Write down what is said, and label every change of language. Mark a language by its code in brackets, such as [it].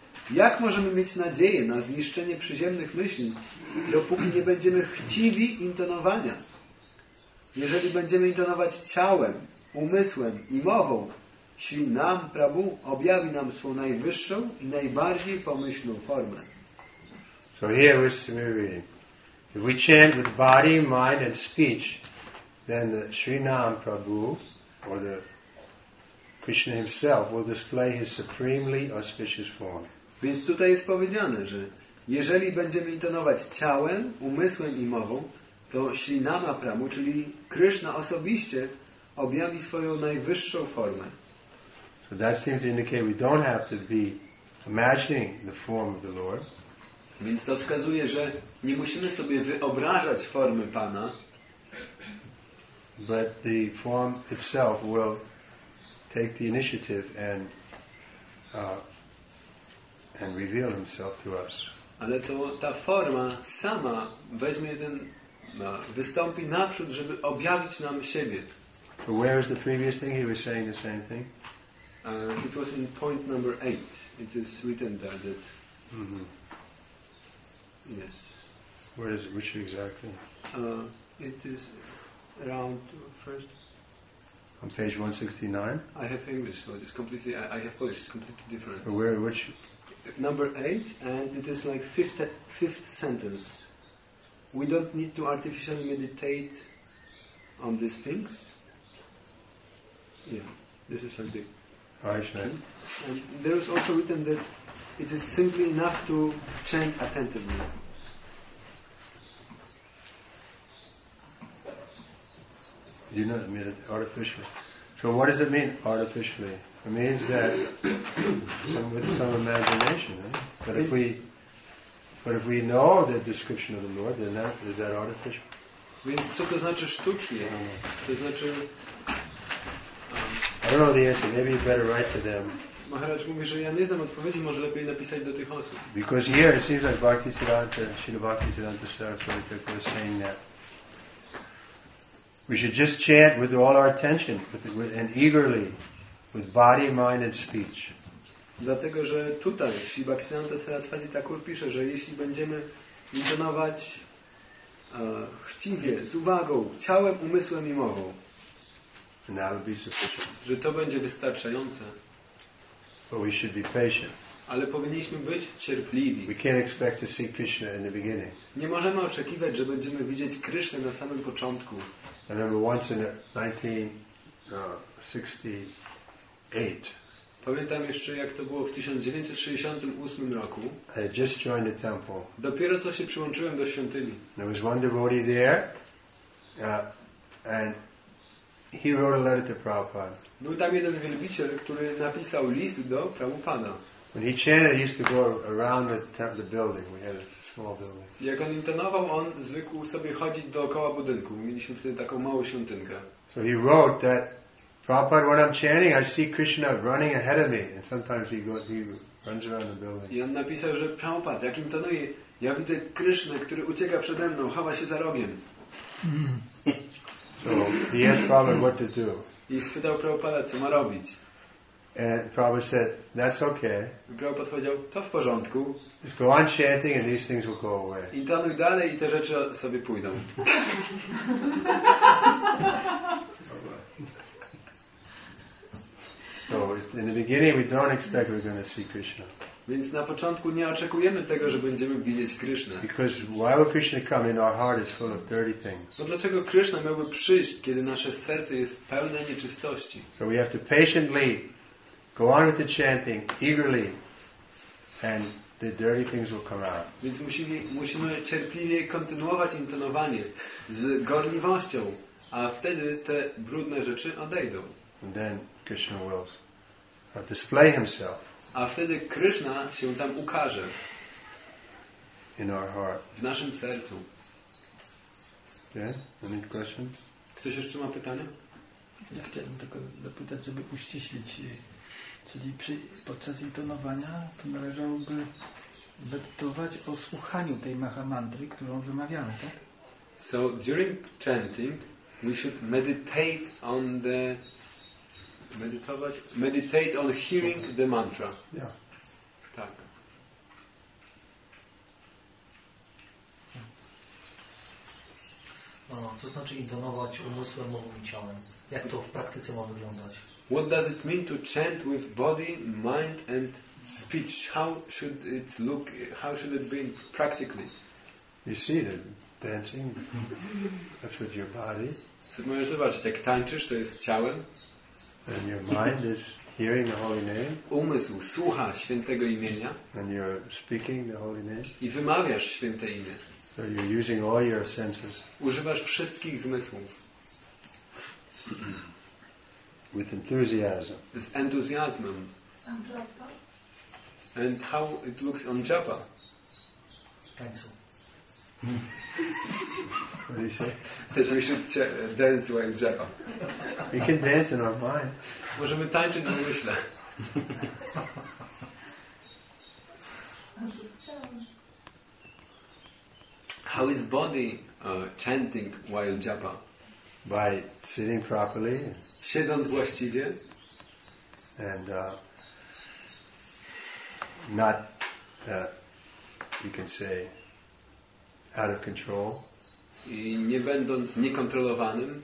[pl] Jak możemy mieć nadzieję na zniszczenie przyziemnych myśli, dopóki nie będziemy chciwi intonowania? Jeżeli będziemy intonować ciałem, umysłem i mową, Śri Nam Prabhu objawi nam swą najwyższą i najbardziej pomyślną formę. [en] So here we see reading. If we chant with body, mind and speech, then the Śri Nam Prabhu, or the Krishna himself, will display his supremely auspicious form. [pl] Więc tutaj jest powiedziane, że jeżeli będziemy intonować ciałem, umysłem i mową, to Śri Nam Prabhu, czyli Krishna osobiście, objawi swoją najwyższą formę. [en] So that seems to indicate we don't have to be imagining the form of the Lord. [pl] Więc to wskazuje, że nie musimy sobie wyobrażać formy Pana. [en] But the form itself will take the initiative and reveal himself to us. [pl] Ale to ta forma sama weźmie ten wystąpi naprzód, żeby objawić nam siebie. [en] But where is the previous thing? He was saying the same thing. It was in point number 8. It is written there that. Yes. Where is it? Which exactly? It is around first. On page 169? I have English, so it's completely. I have Polish. It's completely different. But where? Which? Number 8, and it is like fifth sentence. We don't need to artificially meditate on these things. Yeah, this is something. And there is also written that it is simply enough to chant attentively. You know, artificially. So what does it mean, artificially? It means that with some imagination, right? But if we know the description of the Lord, then that is that artificial? [pl] Więc co to znaczy sztucznie? To znaczy... [en] I don't know the answer. Maybe you better write to them. [pl] Maharaj mówi, że ja nie znam odpowiedzi, może lepiej napisać do tych osób. [en] Because here it seems like Bhakti Siddhanta, Srila Bhakti Siddhanta Saraswati Thakur is saying that we should just chant with all our attention and eagerly with body, mind and speech. [pl] Dlatego, że tutaj Srila Bhakti Siddhanta Saraswati Thakur pisze, że jeśli będziemy intonować chciwie, z uwagą, ciałem, umysłem i mową, [en] and that will be sufficient. [pl] Że to będzie wystarczające. [en] But we should be patient. [pl] Ale powinniśmy być cierpliwi. [en] We can't expect to see Krishna in the beginning. [pl] Nie możemy oczekiwać, że będziemy widzieć Krishnę na samym początku. [en] I remember once in 1968. [pl] Pamiętam jeszcze, jak to było w 1968 roku. [en] I had just joined the temple. [pl] Dopiero co się przyłączyłem do świątyni. [en] There was one devotee there, and he wrote a letter to Prabhupada. [pl] Był tam jeden wielbiciel, który napisał list do Prabhupada. [en] When he chanted, he used to go around the building. We had a small building. [pl] Jak on intonował, on zwykł sobie chodzić dookoła budynku. Mieliśmy wtedy taką małą świątynkę. [en] So he wrote that, Prabhupada, when I'm chanting, I see Krishna running ahead of me. And sometimes he runs around the building. [pl] I on napisał, że Prabhupada, jak intonuje, ja widzę Krishna, który ucieka przede mną, chowa się za rogiem. [en] So he asked Prabhupada what to do. [pl] I spytał Prabhupada, co ma robić. [en] And Prabhupada said, that's okay. [pl] Prabhupada powiedział, to w porządku. [en] Just go on chanting and these things will go away. [pl] Intonuj dalej i te rzeczy sobie pójdą. [en] So in the beginning we don't expect we're going to see Krishna. [pl] Więc na początku nie oczekujemy tego, że będziemy widzieć Krishna. [en] Because why would Krishna come in our heart is full of dirty things? [pl] Bo dlaczego Krishna miałby przyjść, kiedy nasze serce jest pełne nieczystości? [en] So we have to patiently go on with the chanting eagerly, and the dirty things will come out. [pl] Więc musimy cierpliwie kontynuować intonowanie z gorliwością, A wtedy te brudne rzeczy odejdą. [en] And then Krishna will display himself. [pl] A wtedy Krishna się tam ukaże. [en] In our heart. [pl] W naszym sercu. [en] Yeah? Any question? [pl] Ktoś jeszcze ma pytanie? Ja chciałem tylko dopytać, żeby uściślić. Czyli podczas intonowania to należałoby medytować o słuchaniu tej mahamantry, którą wymawiamy, tak? [en] So during chanting we should meditate on the meditate on hearing the mantra. Yeah. [pl] Tak. Co znaczy intonować umysłem, mową i ciałem? Jak to w praktyce ma wyglądać? [en] What does it mean to chant with body, mind and speech? How should it look? How should it be practically? You see the dancing. That's with your body. [pl] So możesz zobaczyć, jak tańczysz, to jest ciałem. [en] And your mind is hearing the holy name. [pl] Umysł słucha świętego imienia. [en] And you're speaking the holy name. [pl] I wymawiasz święte imię. [en] So you're using all your senses. [pl] Używasz wszystkich zmysłów. [en] With enthusiasm. [pl] Z entuzjazmem. [en] And how it looks on japa? [pl] Tańcu. [en] What do you say? That we should dance while japa. We can dance in our mind. [pl] Możemy tańczyć w myślach. [en] How is body chanting while japa? By sitting properly. [pl] Siedząc właściwie. [en] And not that you can say out of control. [pl] I nie będąc niekontrolowanym.